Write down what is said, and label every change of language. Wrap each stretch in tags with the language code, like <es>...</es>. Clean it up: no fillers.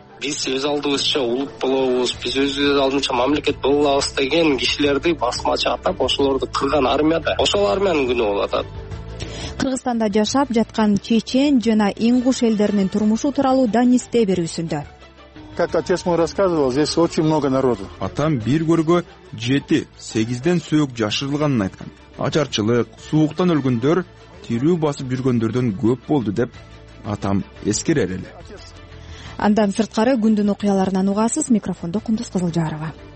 <ky>Биз өз алдыбызча улут болобуз, биз өзүбүз алдынча мамлекет болобуз деген кишилерди басмачы атап, ошолорду кырган армияда, ошол армиянын күнү болуп атат. Кыргызстанда жашап жаткан чечен жана ингуш элдеринин турмушу тууралуу Данис Теберүүсүндө.</ky> <ru>Как отец мой рассказывал, здесь очень много народу.</ru> <ky>Атам бир көргө 7-8 сөөк жашырылганын айткан. Ачарчылык, сууктан өлгөндөр, тирүү басып жүргөндөрдөн көп болду деп атам эскерер эле. Андан сырткары күндүн окуяларынан угасыз, микрофондо Кундуз Кызылжарова.</ky>